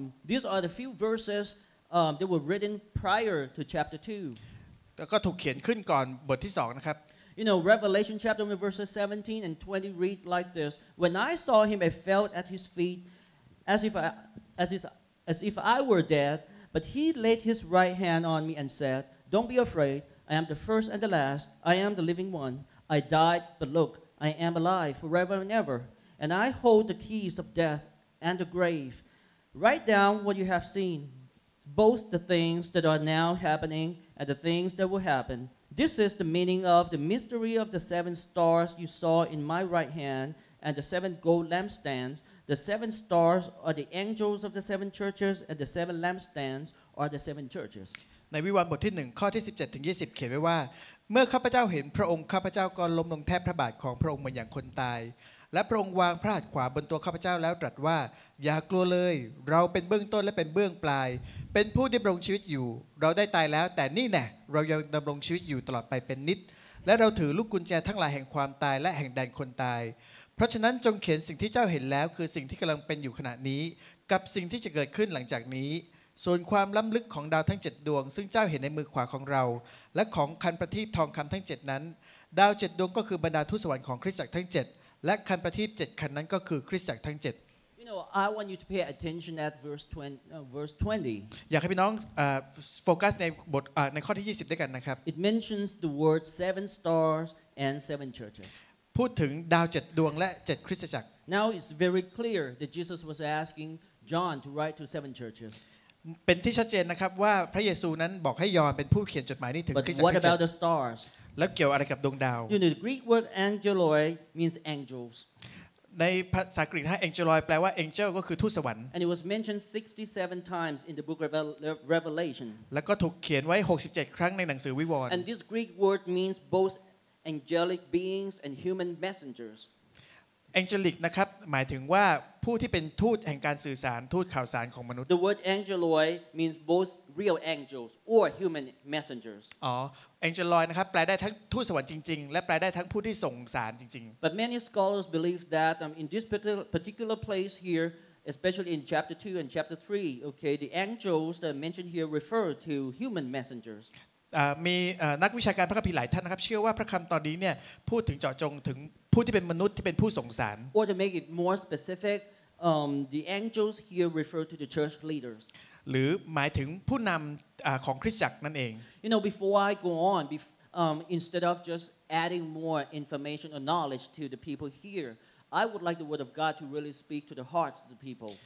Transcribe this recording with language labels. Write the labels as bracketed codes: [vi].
[en] These are the few verses that were written prior to chapter 2. [th] ก็ถูกเขียนขึ้นก่อนบทที่2นะครับ [en] You know, Revelation chapter 1, verses 17 and 20 read like this. When I saw him, I fell at his feet as if I were dead, but he laid his right hand on me and said, "Don't be afraid. I am the first and the last. I am the living one. I died, but look, I am alive forever and ever. And I hold the keys of death and the grave. Write down what you have seen, both the things that are now happening and the things that will happen. This is the meaning of the mystery of the seven stars you saw in my right hand and the seven gold lampstands. The seven stars are the angels of the seven churches, and the seven lampstands are the seven churches." [th] ในวิวรณ์บทที่1ข้อที่17ถึง20เขียนไว้ว่าเมื่อข้าพเจ้าเห็นพระองค์ข้าพเจ้าก็ล้มลงแทบพระบาทของพระองค์เหมือนอย่างคนตายและพระองค์วางพระหัตถ์ขวาบนตัวข้าพเจ้าแล้วตรัสว่าอย่ากลัวเลยเราเป็นเบื้องต้นและเป็นเบื้องปลายเป็นผู้ที่ดำรงชีวิตอยู่เราได้ตายแล้วแต่นี่แน่เรายังดำรงชีวิตอยู่ตลอดไปเป็นนิจและเราถือลูกกุญแจทั้งหลายแห่งความตายและแห่งแดนคนตาย เพราะฉะนั้นจงเขียนสิ่งที่เจ้าเห็นแล้วคือสิ่งที่กำลังเป็นอยู่ขณะนี้กับสิ่งที่จะเกิดขึ้นหลังจากนี้ส่วนความล้ำลึกของดาวทั้ง7ดวงซึ่งเจ้าเห็นในมือขวาของเราและของคันประทีปทองคำทั้ง7นั้นดาว7ดวงก็คือบรรดาทูตสวรรค์ของคริสตจักรทั้ง7และคันประทีป7คันนั้นก็คือคริสตจักรทั้ง7 [en] You know I want you to pay attention at verse 20 [th] อยากให้พี่น้องโฟกัสในบทในข้อที่20ด้วยกันนะครับ [en] It mentions the word seven stars and seven churches [th] พูดถึงดาว7ดวงและ7คริสตจักร [en] Now it's very clear that Jesus was asking John to write to seven churches [th] เป็นที่ชัดเจนนะครับว่าพระเยซูนั้นบอกให้ยอห์นเป็นผู้เขียนจดหมายนี้ถึงคริสตจัก ร [en] But what about the stars [th] แล้วเกี่ยวอะไรกับดวงดาว [en] You know the Greek word angeloi means angels [th] ในภาษากรีกถ้า angeloi แปลว่า angel ก็คือทูตสวรรค์ [en] And it was mentioned 67 times in the book of Revelation [th] แล้วก็ถูกเขียนไว้67ครั้งในหนังสือวิวรณ์ [en] And this Greek word means bothangelic beings and human messengers [th] angelic นะครับหมายถึงว่าผู้ที่เป็นทูตแห่งการสื่อสารทูตข่าวสารของมนุษย์ [en] The word angeloi means both real angels or human messengers [th] อ๋อ angeloi นะครับแปลได้ทั้งทูตสวรรค์จริงๆและแปลได้ทั้งผู้ที่ส่งสารจริง [en] ๆ But many scholars believe that in this particular place here especially in chapter 2 and chapter 3 okay the angels that are mentioned here refer to human messengers [th] มีนักวิชาการพระคัมภีร์หลายท่านนะครับเชื่อว่าพระคำตอนนี้เนี่ยพูดถึงเจาะจงถึงผู้ที่เป็นมนุษย์ที่เป็นผู้ส่งสาร [en] Or to make it more specific the angels here refer to the church leaders [th] หรือหมายถึงผู้นำของคริสตจักรนั่นเอง [en] You know before I go on instead of just adding more information or knowledge to the people here I would like the word of God to really speak to the hearts of the people